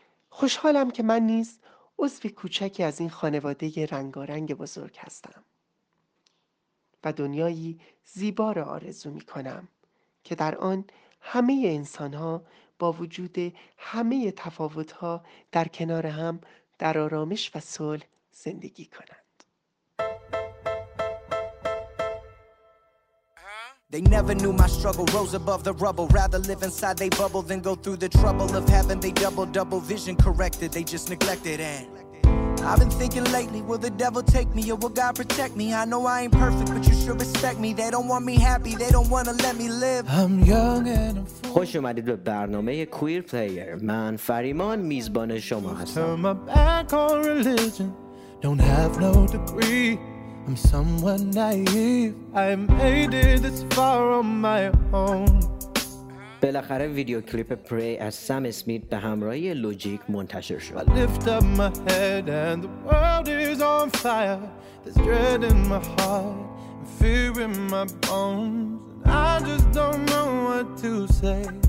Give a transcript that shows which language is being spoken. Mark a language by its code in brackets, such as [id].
[fa] خوشحالم که من نیز عضو کوچکی از این خانواده رنگارنگ بزرگ هستم و دنیایی زیبا را آرزو می کنم که در آن همه انسان ها با وجود همه تفاوت ها در کنار هم در آرامش و صلح زندگی کنند. [en] They never knew my struggle, rose above the rubble. Rather live inside they bubble than go through the trouble of having they double vision corrected. They just neglected and I've been thinking lately, will the devil take me or will God protect me? I know I ain't perfect, but you should respect me. They don't want me happy, they don't want to let me live. I'm young and I'm free. [fa] خوش اومدید به برنامه کویر پلیر. من فریمان میزبان شما هستم. [en] I'm back on religion, don't have no degree. I'm someone naive, I made it this far on my own. [fa] بالاخره ویدیو کلیپ پری از سم اسمیت به همراهی لوجیک منتشر شد. [en] I lift up my head and the world is on fire. There's dread in my heart and fear in my bones. And I just don't know what to say.